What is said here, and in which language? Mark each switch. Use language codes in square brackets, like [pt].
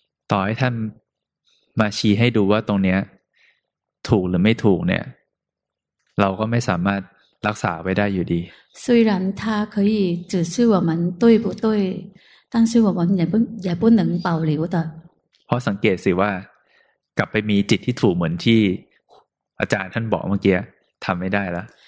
[th] ต่อให้ท่านมาชี้ให้ดูว่าตรงเนี้ยถูกหรือไม่ถูกเนี่ยเราก็ไม่สามารถรักษาไว้ได้อยู่ดี [zh] 虽然他可以指示我们对不对但是我们也不能保留的 [th] เพราะสังเกตสิว่ากลับไปมีจิตที่ถูกเหมือนที่อาจารย์ท่านบอกเมื่อกี้ทำไม่ได้แล้ว